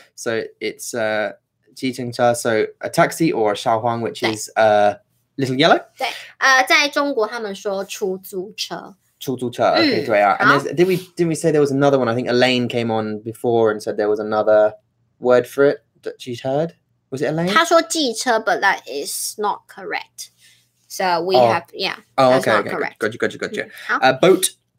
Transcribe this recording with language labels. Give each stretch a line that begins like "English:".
English: So it's
Chinese: 计程车
English: so a taxi or
Chinese: 小黄
English: which is little yellow.
Chinese: 对，在中国他们说出租车。出租车
English: okay,
Chinese: 对啊。
English: And didn't we say there was another one? I think Elaine came on before and said there was another word for it that she'd heard. Was it Elaine?
Chinese: 他说计车
English: but that is not correct. So we have, yeah. Oh, okay, okay. Gotcha. Boat.